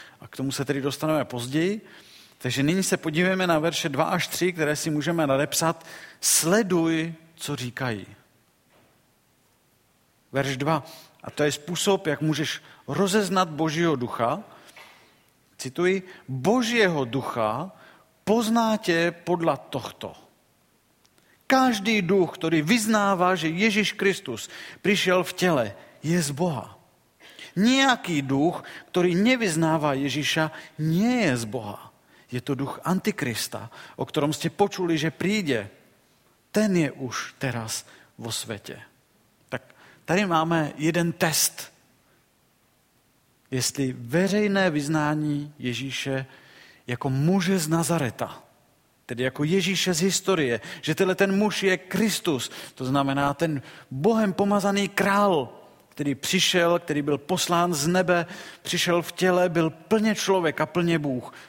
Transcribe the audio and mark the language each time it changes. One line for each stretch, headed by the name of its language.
Czech: A k tomu se tedy dostaneme později. Takže nyní se podívejme na verše 2 až 3, které si můžeme nadepsat. Sleduj, co říkají. Verš 2. A to je způsob, jak můžeš rozeznat Božího ducha. Cituji, Božího ducha poznáte podle tohto.
Slovak: každý duch, ktorý vyznáva, že Ježiš Kristus prišiel v tele, je z Boha. Nejaký duch, ktorý nevyznáva Ježiša, nie je z Boha. Je to duch Antikrista, o ktorom ste počuli, že príde. Ten je už teraz vo svete.
Czech: Tak tady máme jeden test. Jestli veřejné vyznání Ježíše jako muže z Nazareta, tedy jako Ježíše z historie, že tenhle ten muž je Kristus, to znamená ten Bohem pomazaný král, který přišel, který byl poslán z nebe, přišel v těle, byl plně člověk a plně Bůh.